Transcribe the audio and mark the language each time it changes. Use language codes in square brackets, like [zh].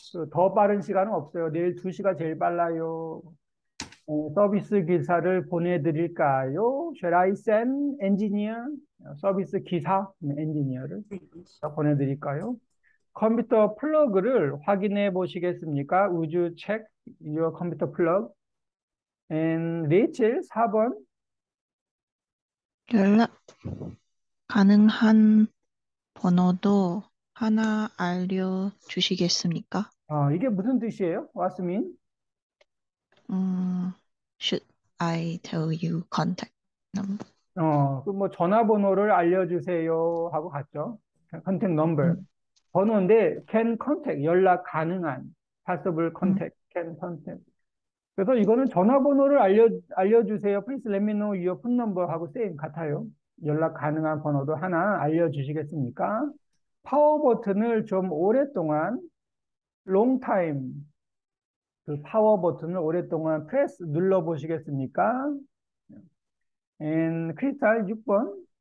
[ko] 더 빠른 시간은 없어요. 내일 2시가 제일 빨라요. 서비스 기사를 보내드릴까요? [en] Should I send engineer? [ko] 서비스 기사, engineer를 보내드릴까요? 컴퓨터 플러그를 확인해 보시겠습니까? [en] Would you check your computer plug? And Rachel, 4번. [ko] 연락 가능한 번호도 하나 알려 주시겠습니까? 아, 이게 무슨 뜻이에요? [en] What's mean? Should I tell you contact number? [ko] 뭐 전화번호를 알려주세요 하고 갔죠. [en] Contact number. [ko] 번호인데 [en] can contact, [ko] 연락 가능한. [en] Possible contact, can contact. [ko] 그래서 이거는 전화번호를 알려주세요. [en] Please let me know your phone number [ko] 하고 [en] same [ko] 같아요. 연락 가능한 번호도 하나 알려주시겠습니까? 파워 버튼을 좀 오랫동안 [en] long time [ko] 그 파워 버튼을 오랫동안 press 눌러 보시겠습니까? [en] And 크리스탈 6번.